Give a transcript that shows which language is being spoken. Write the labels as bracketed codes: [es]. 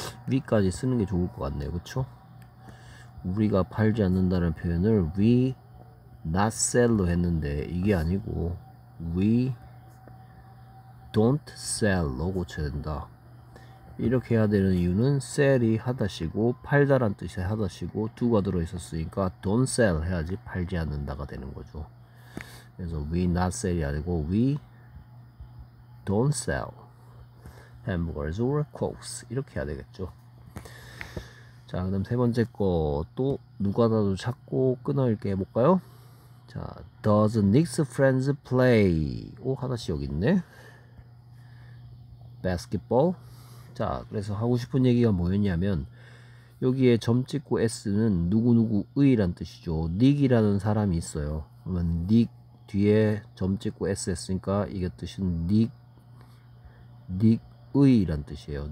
[ko] we까지 쓰는 게 좋을 것 같네요. 그쵸? 우리가 팔지 않는다는 표현을 [en] we not sell [ko] 로 했는데 이게 아니고 [en] we don't sell [ko] 로 고쳐야 된다. 이렇게 해야 되는 이유는 sell이 하다시고 팔다란 뜻이 하다시고 두가 들어있었으니까 don't sell 해야지 팔지 않는다가 되는 거죠. 그래서 [en] we not sell [ko] 이 아니고 [en] we don't sell hamburgers or cokes [ko] 이렇게 해야 되겠죠. 자, 그다음 세 번째 거또 누가다도 찾고 끊어 읽게 해볼까요? [en] 자, does Nick's friends play? [ko] 오, 하나씩 여기 있네. basketball. 자, 그래서 하고 싶은 얘기가 뭐였냐면 여기에 점 찍고 s는 누구누구의란 뜻이죠. Nick이라는 사람이 있어요. 그러면 Nick 뒤에 점 찍고 S 했으니까 이게 뜻은 닉의란 뜻이에요.